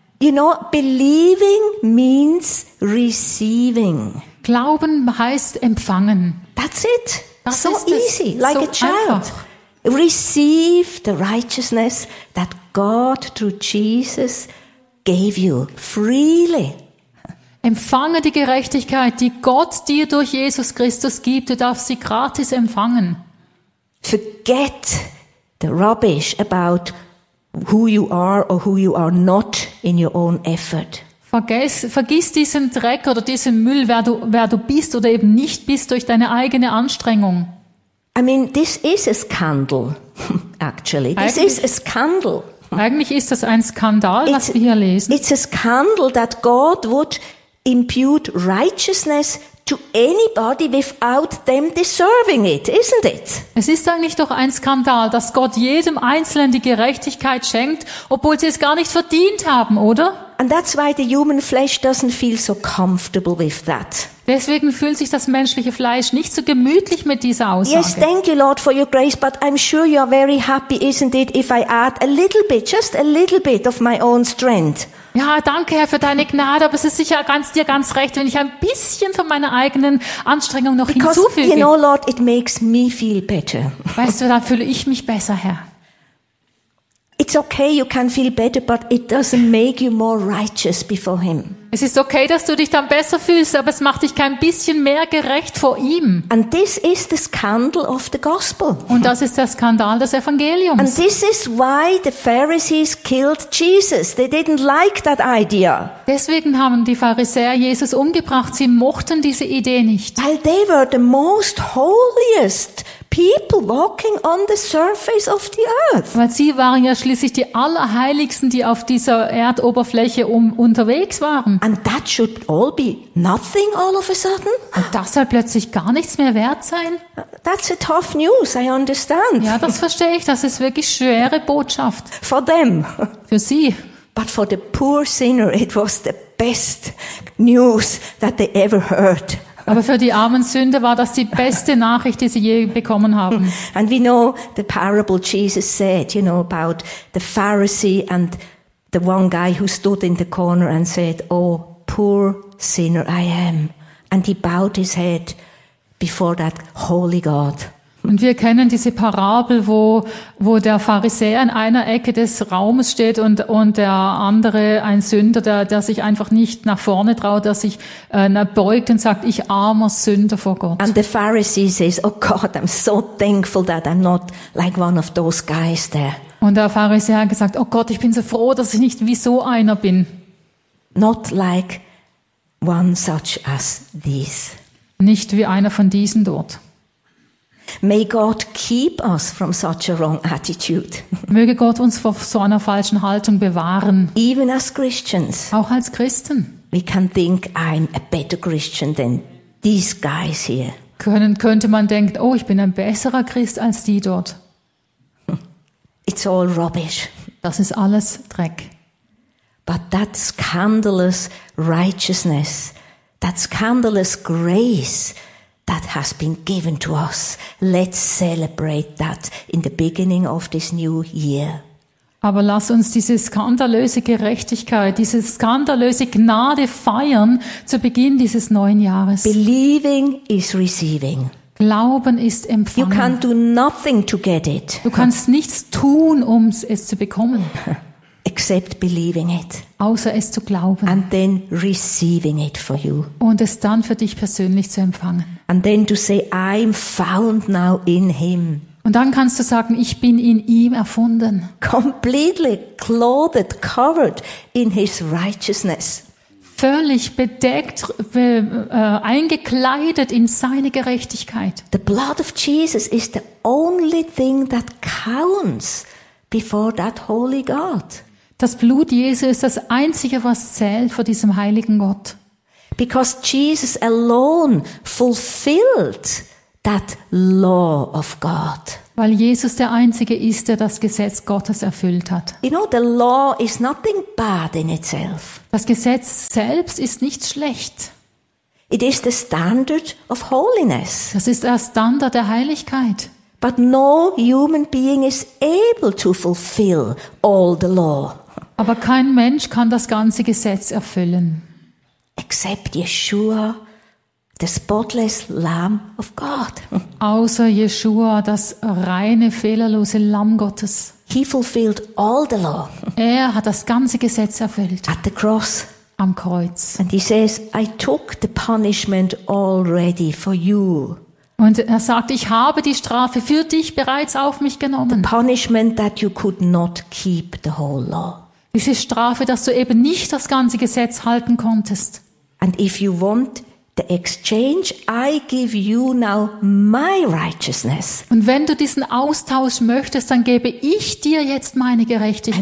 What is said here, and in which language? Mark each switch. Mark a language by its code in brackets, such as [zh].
[en] You know, believing means receiving. [de] Glauben heißt empfangen. [en] That's it. [de] Das [en] so [de] ist [en] easy, [de] es. [en] Like so a child. [de] Einfach. [en] Receive the righteousness that God through Jesus gave you freely. [de] Empfange die Gerechtigkeit, die Gott dir durch Jesus Christus gibt. Du darfst sie gratis empfangen. [en] Forget the rubbish about who you are or who you are not in your own effort. [de] Vergiss diesen Dreck oder diesen Müll, wer du bist oder eben nicht bist durch deine eigene Anstrengung. [en] I mean, this is a scandal, actually. [de] Eigentlich ist das ein Skandal, was wir hier lesen. [en] It's a scandal that God would impute righteousness to anybody without them deserving it, isn't it? [de] Es ist eigentlich doch ein Skandal, dass Gott jedem Einzelnen die Gerechtigkeit schenkt, obwohl sie es gar nicht verdient haben, oder? [en] And that's why the human flesh doesn't feel so comfortable with that. [de] Deswegen fühlt sich das menschliche Fleisch nicht so gemütlich mit dieser Aussage. [en] Yes, thank you, Lord, for your grace, but I'm sure you're very happy, isn't it, if I add a little bit, just a little bit of my own strength. [de] Ja, danke, Herr, für deine Gnade, aber es ist sicher dir ganz recht, wenn ich ein bisschen von meiner eigenen Anstrengung noch [en] because, [de] hinzufüge. [en] You know, Lord, it makes me feel better. [de] Weißt du, da fühle ich mich besser, Herr. [en] It's okay, you can feel better, but it doesn't make you more righteous before him. [de] Es ist okay, dass du dich dann besser fühlst, aber es macht dich kein bisschen mehr gerecht vor ihm. [en] And this is the scandal of the gospel. [de] Und das ist der Skandal des Evangeliums. [en] And this is why the Pharisees killed Jesus. They didn't like that idea. [de] Deswegen haben die Pharisäer Jesus umgebracht. Sie mochten diese Idee nicht. [en] Weil they were the most holiest people walking on the surface of the earth. [de] Weil sie waren ja schließlich die Allerheiligsten, die auf dieser Erdoberfläche unterwegs waren. [en] And that should all be nothing all of a sudden? [de] Und das soll plötzlich gar nichts mehr wert sein? [en] That's a tough news, I understand. [de] Ja, das verstehe ich, das ist wirklich schwere Botschaft. [en] For them. [de] Für sie. [en] But for the poor sinner it was the best news that they ever heard. [de] Aber für die armen Sünder war das die beste Nachricht, die sie je bekommen haben. [en] And we know the parable Jesus said, you know, about the Pharisee and the one guy who stood in the corner and said, oh, poor sinner I am. And he bowed his head before that holy God. [de] Und wir kennen diese Parabel, wo der Pharisäer in einer Ecke des Raumes steht und der andere, ein Sünder, der sich einfach nicht nach vorne traut, der sich beugt und sagt, ich armer Sünder vor Gott. [en] And the Pharisee says, oh God, I'm so thankful that I'm not like one of those guys there. [de] Und der Pharisäer hat gesagt, oh Gott, ich bin so froh, dass ich nicht wie so einer bin. [en] Not like one such as these. [de] Nicht wie einer von diesen dort. [en] May God keep us from such a wrong attitude. [de] Möge Gott uns vor so einer falschen Haltung bewahren. [en] Even as Christians. [de] Auch als Christen. [en] We can think I'm a better Christian than these guys here. [de] Könnte man denken, oh, ich bin ein besserer Christ als die dort. [en] It's all rubbish. [de] Das ist alles Dreck. [en] But that scandalous righteousness, that scandalous grace that has been given to us, let's celebrate that in the beginning of this new year. [de] Aber lass uns diese skandalöse Gerechtigkeit, diese skandalöse Gnade feiern zu Beginn dieses neuen Jahres. [en] Believing is receiving. [de] Glauben ist empfangen. [en] You can do nothing to get it. [de] Du kannst nichts tun, um es zu bekommen. [en] Except believing it. [de] Außer es zu glauben. [en] And then receiving it for you. [de] Und es dann für dich persönlich zu empfangen. [en] And then to say, I'm found now in him. [de] Und dann kannst du sagen, ich bin in ihm erfunden. [en] Completely clothed, covered in his righteousness. [de] Völlig bedeckt, eingekleidet in seine Gerechtigkeit. [en] The blood of Jesus is the only thing that counts before that holy God. [de] Das Blut Jesu ist das Einzige, was zählt vor diesem heiligen Gott. [en] Because Jesus alone fulfilled that law of God. [de] Weil Jesus der Einzige ist, der das Gesetz Gottes erfüllt hat. [en] You know, the law is nothing bad in itself. [de] Das Gesetz selbst ist nicht schlecht. [en] It is the standard of holiness. [de] Das ist der Standard der Heiligkeit. [en] But no human being is able to fulfill all the law. [de] Aber kein Mensch kann das ganze Gesetz erfüllen. [en] Except Yeshua, the spotless Lamb of God. [de] Außer Yeshua, das reine, fehlerlose Lamm Gottes. [en] He fulfilled all the law. [de] Er hat das ganze Gesetz erfüllt. [en] At the cross. [de] Am Kreuz. [en] And he says, I took the punishment already for you. [de] Und er sagt, ich habe die Strafe für dich bereits auf mich genommen. [en] The punishment that you could not keep the whole law. [de] Diese Strafe, dass du eben nicht das ganze Gesetz halten konntest. [en] And if you want the exchange, I give you now my righteousness. [de] Und wenn du diesen Austausch möchtest, dann gebe ich dir jetzt meine Gerechtigkeit.